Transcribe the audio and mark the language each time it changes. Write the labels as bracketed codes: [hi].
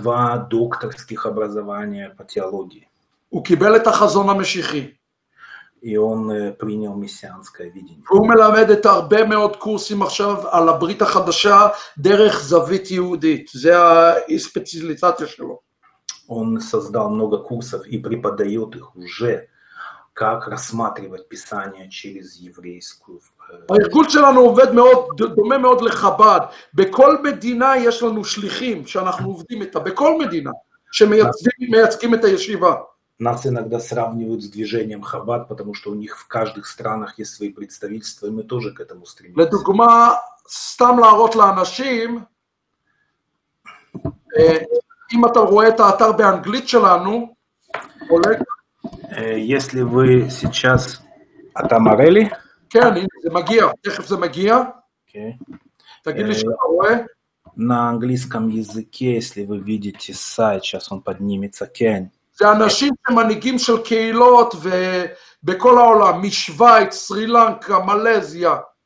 [ru] 2 докторских образования по теологии. [he] הוא קיבל את החזון המשיחי. [ru] И он принял мессианское видение. [he] הוא מלמד את הרבה מאוד קורסים עכשיו על הברית החדשה דרך זווית יהודית. זה הספציליזציה שלו. [ru] Он создал много курсов и преподает их уже, как рассматривать писание через еврейскую. [he] הארגון שלנו עובד מאוד, דומה מאוד לחב"ד. בכל מדינה יש לנו שליחים שאנחנו עובדים איתה, בכל מדינה, שמייצגים את הישיבה. [ru] Нас иногда сравнивают с движением Хабад, потому что у них в каждых странах есть свои представительства, и мы тоже к этому стремимся. [he] לדוגמה, סתם להראות לאנשים, אם אתה רואה את האתר באנגלית שלנו, Oleg, [ru] если вы сейчас [he] אתה מראה לי? כן, זה מגיע, תכף זה מגיע. תגיד לי שאתה רואה. [ru] На английском языке, если вы видите сайт, сейчас он поднимется, כן. [he] זה אנשים שמנהיגים של קהילות ובכל העולם, משוויץ, סרי לנקה, מלזיה,